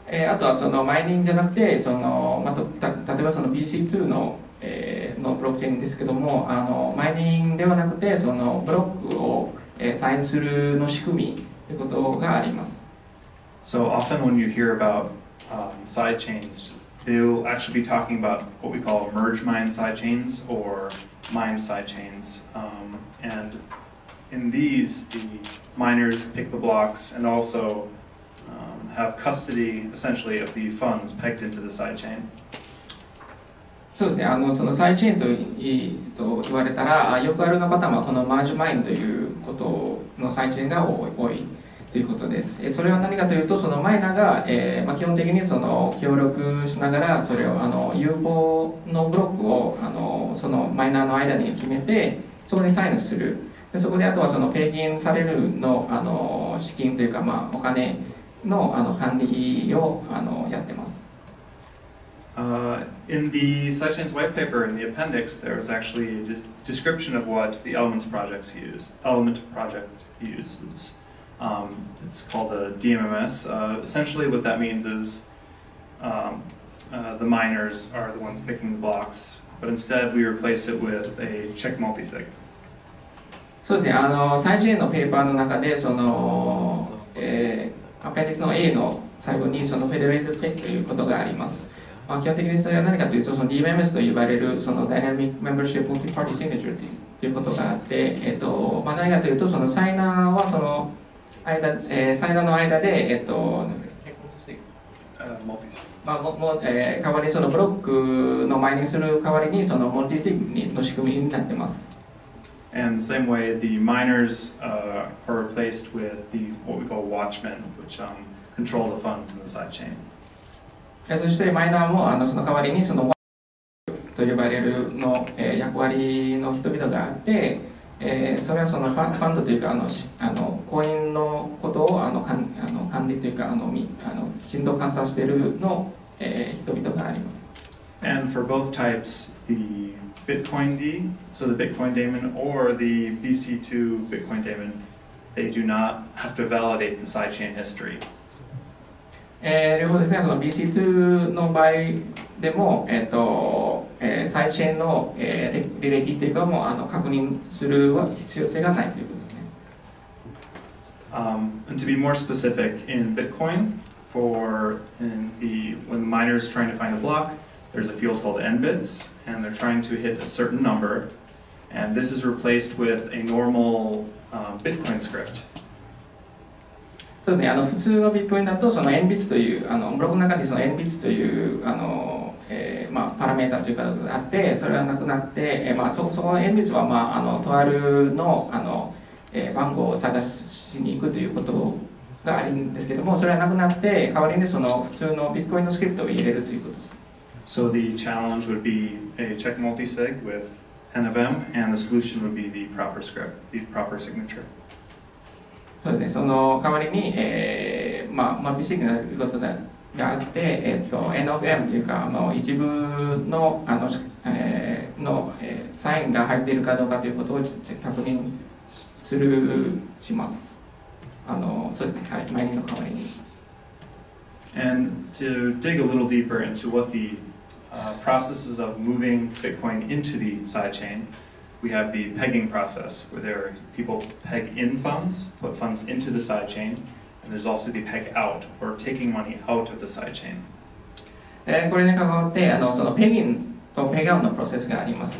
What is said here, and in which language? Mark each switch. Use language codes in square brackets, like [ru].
[ja] あとはそのマイニングじゃなくて、その、まあ、た例えばその BC2 の、のブロックチェーンですけども、マイニングではなくて、そのブロックを、サインするの仕組みということがあります。 [en] So often when you hear about side chains, they will actually be talking about what we call merge mine side chains or mine side chains. And in these, the miners pick the blocks and also have custody, essentially, of the funds pegged into the sidechain. [ja] そうですね。その sidechain と言われたら、よくあるのパターンはこの merge mine ということの sidechain が多いということです。それは何かというと、そのマイナーが、基本的にその協力しながら、それを有効のブロックをそのマイナーの間に決めて、そこにサインする。でそこであとはそのペイギンされるの資金というか、お金の管理をやってます。 [en] In the sidechain's white paper in the appendix, there is actually a description of what the elements projects use. Element project uses. It's called a DMMS. Essentially, what that means is the miners are the ones picking the blocks, but instead we replace it with a check multisig. [ja] そうですね、サイチェーンのペーパーの中でその、アペンディクスの A の最後にそのフェデレートテイクということがあります、基本的にそれは何かというとその DMMS と呼ばれるそのダイナミックメンバーシップモルティパーティーシグネチャーということがあって、何かというとそのサイナーはその間、サイナーの間で、代わりにそのブロックのマイニングする代わりにそのモルティシグの仕組みになっています。 [en] And the same way, the miners are replaced with the what we call watchmen, which control the funds in the sidechain. [ja] そしてマイナーもその代わりにそのワッチと呼ばれるの、役割の人々があって、それはそのファンドというかコインのことを管理というかきちんと監査しているの、人々があります。 [en] And for both types, theBitcoin D, so the Bitcoin daemon, or the BC2 Bitcoin daemon, they do not have to validate the sidechain history. [ja] 両方ですね、その BC2 の場合でも、sidechain の、履歴というかも、確認するは必要性がないということですね。 [en] And to be more specific, in Bitcoin, when the miner is trying to find a block,There's a field called nbits, and they're trying to hit a certain number, and this is replaced with a normal Bitcoin script. [ja] そうですね。普通のビットコインだと、その nbits というブロックの中にその nbits というパラメータというかがあって、それはなくなって、その nbits はとあるの番号を探しに行くということがあるんですけども、それはなくなって、代わりにその普通のビットコインのスクリプトを入れるということです。 [en] So the challenge would be a check multisig with N of M, and the solution would be the proper script, the proper signature. [ja] そうですね、その代わりに、まあ、マルチシグナルということがあって、N of M というか、まあ、一部 の, あ の,、のサインが入っているかどうかということを確認するします。あのそうですね、はい、マイニングの代わりに。 [en] And to dig a little deeper into what the processes of moving Bitcoin into the sidechain,We have the pegging process, where there are people peg in funds, put funds into the sidechain, and there's also the peg out, or taking money out of the sidechain. [ja] これに関わって、あの、そのペギンとペグアウトのプロセスがあります。